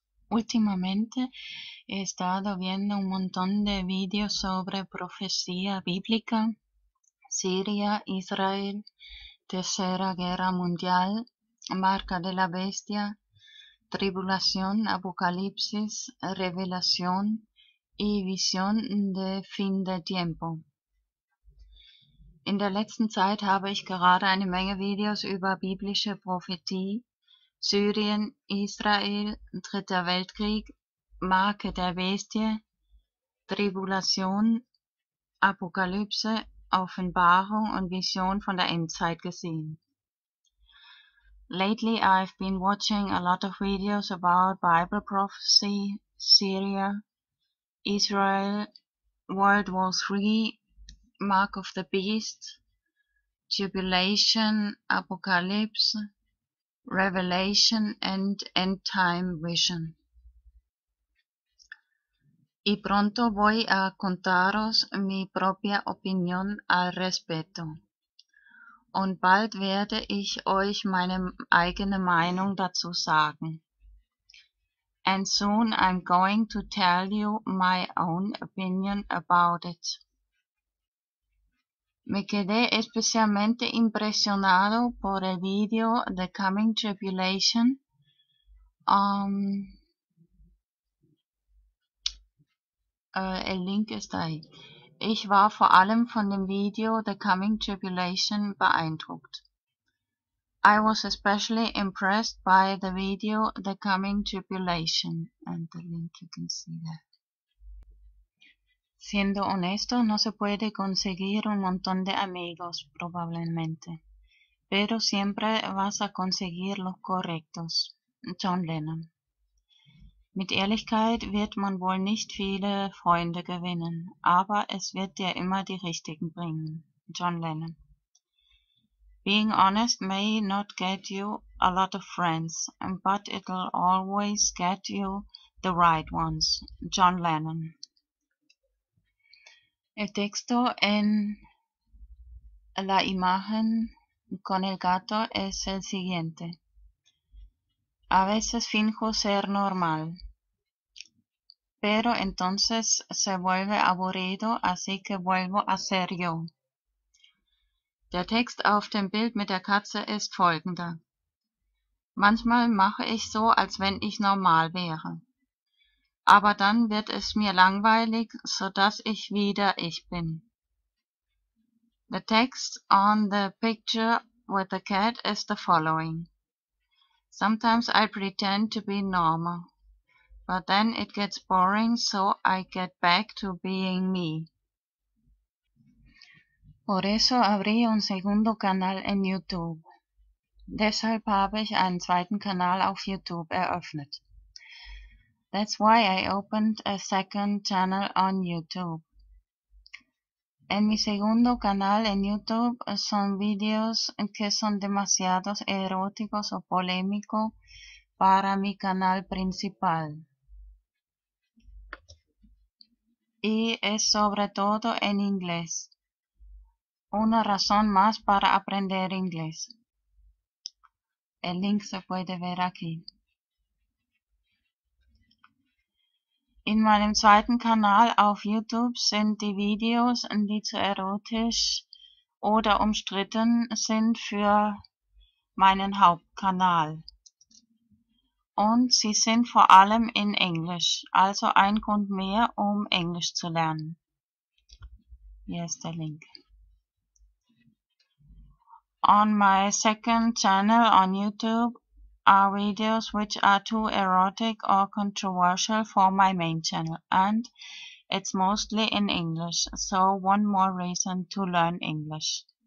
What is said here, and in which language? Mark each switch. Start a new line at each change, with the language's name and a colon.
Spanish: Últimamente he estado viendo un montón de vídeos sobre profecía bíblica, Siria, Israel, tercera guerra mundial, marca de la bestia, tribulación, apocalipsis, revelación y visión de fin de tiempo.
German: In der letzten Zeit habe ich gerade eine Menge Videos über biblische Prophetie, Syrien, Israel, Dritter Weltkrieg, Marke der Bestie, Tribulation, Apokalypse, Offenbarung und Vision von der Endzeit gesehen.
English: Lately I've been watching a lot of videos about Bible prophecy, Syria, Israel, World War III, Mark of the Beast, Tribulation, Apocalypse, Revelation and End Time Vision.
Spanish: Y pronto voy a contaros mi propia opinión al respecto.
German: Und bald werde ich euch meine eigene Meinung dazu sagen.
English: And soon I'm going to tell you my own opinion about it.
Spanish: Me quedé especialmente impresionado por el video The Coming Tribulation. El link está ahí.
German: Ich war vor allem von dem Video The Coming Tribulation beeindruckt.
English: I was especially impressed by the video The Coming Tribulation. And the link you can see there.
Spanish: Siendo honesto, no se puede conseguir un montón de amigos, probablemente. Pero siempre vas a conseguir los correctos. John Lennon.
German: Mit Ehrlichkeit wird man wohl nicht viele Freunde gewinnen, aber es wird dir immer die richtigen bringen. John Lennon.
English: Being honest may not get you a lot of friends, but it'll always get you the right ones. John Lennon.
Spanish: El texto en la imagen con el gato es el siguiente. A veces finjo ser normal, pero entonces se vuelve aburrido, así que vuelvo a ser yo.
German: Der Text auf dem Bild mit der Katze ist folgender. Manchmal mache ich so, als wenn ich normal wäre. Aber dann wird es mir langweilig, so dass ich wieder ich bin.
English: The text on the picture with the cat is the following. Sometimes I pretend to be normal, but then it gets boring, so I get back to being me.
Spanish: Por eso abrí un segundo canal en YouTube.
German: Deshalb habe ich einen zweiten Kanal auf YouTube eröffnet.
English: That's why I opened a second channel on YouTube.
Spanish: En mi segundo canal en YouTube son videos que son demasiados eróticos o polémicos para mi canal principal. Y es sobre todo en inglés. Una razón más para aprender inglés. El link se puede ver aquí.
German: In meinem zweiten Kanal auf YouTube sind die Videos, die zu erotisch oder umstritten sind, für meinen Hauptkanal. Und sie sind vor allem in Englisch, also ein Grund mehr, um Englisch zu lernen. Hier ist der Link.
English: On my second channel on YouTube are videos which are too erotic or controversial for my main channel, and it's mostly in English, so one more reason to learn English.